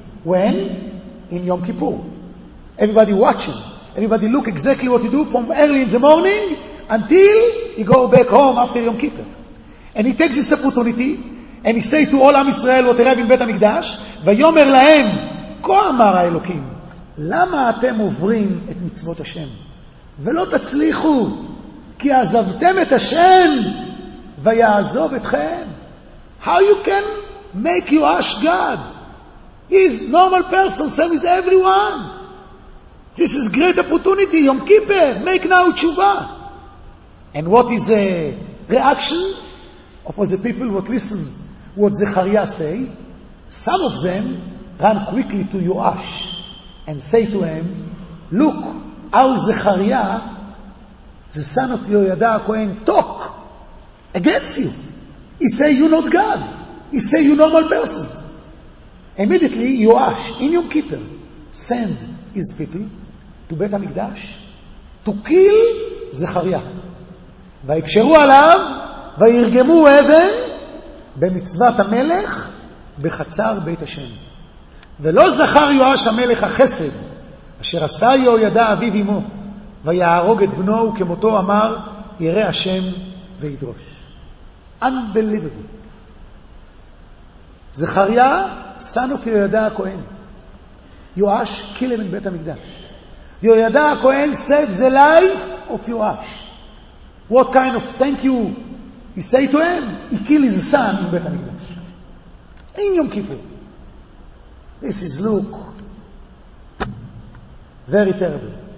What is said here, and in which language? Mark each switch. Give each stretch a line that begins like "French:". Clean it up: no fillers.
English: When? In Yom Kippur. Everybody watching. Everybody look exactly what he do from early in the morning until he go back home after Yom Kippur. And he takes this opportunity and he say to all Am Israel, what arrived in Beit HaMikdash,
Hebrew: ויאמר להם, כה אמר האלוקים, למה אתם עוברים את מצוות השם? ולא תצליחו, כי עזבתם את השם, ויעזוב אתכם.
English: How you can make you ask God? He's normal person, same as everyone. This is great opportunity, Yom Kippur, make now tshuva. And what is the reaction of all the people who listen to what Zechariah say? Some of them run quickly to Yoash and say to him, look how Zechariah, the son of Yoyada HaKohen, talk against you. He say you're not God. He say you're a normal person. Immediately, Yoash, in Yom Kippur, send his people to Beit HaMikdash to kill Zechariah.
Hebrew: ויקשרו עליו וירגמו אבן במצוות המלך בחצר בית השם. ולא זכר יואש המלך החסד אשר עשה יהוידע אביו אמו ויהרוג את בנו, וכמותו אמר ירא השם וידרוש.
English: Unbelievable. זכריה, son of יהוידע הכהן. יואש kill him in בית המקדש. יהוידע הכהן save the life of יואש. What kind of thank you he say to him? He kill his son in Beit HaMikdash. In Yom Kippur. This is look very terrible.